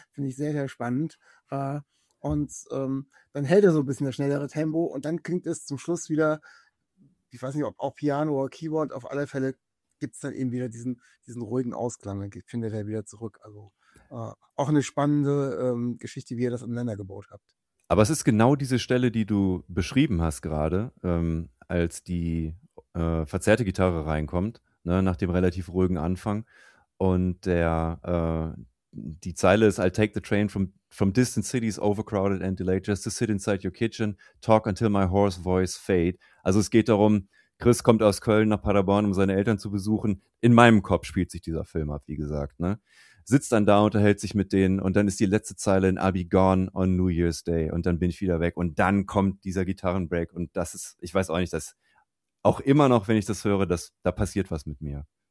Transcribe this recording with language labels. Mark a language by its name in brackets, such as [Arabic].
[German] Finde ich sehr, sehr spannend. Dann hält er so ein bisschen das schnellere Tempo und dann klingt es zum Schluss wieder, ich weiß nicht, ob auch Piano oder Keyboard, auf alle Fälle gibt es dann eben wieder diesen ruhigen Ausklang, dann findet er wieder zurück. Also auch eine spannende Geschichte, wie ihr das aneinander gebaut habt. Aber es ist genau diese Stelle, die du beschrieben hast gerade, als die verzerrte Gitarre reinkommt, ne, nach dem relativ ruhigen Anfang. Und die Zeile ist, [English] I'll take the train from distant cities overcrowded and delayed just to sit inside your kitchen, talk until my hoarse voice fade. [German] Also es geht darum, Chris kommt aus Köln nach Paderborn, um seine Eltern zu besuchen. In meinem Kopf spielt sich dieser Film ab, wie gesagt, ne? sitzt dann da, unterhält sich mit denen und dann ist die letzte Zeile in [English] I'll be gone on New Year's Day [German] und dann bin ich wieder weg und dann kommt dieser Gitarrenbreak und das ist, ich weiß auch nicht, dass auch immer noch, wenn ich das höre, dass da passiert was mit mir.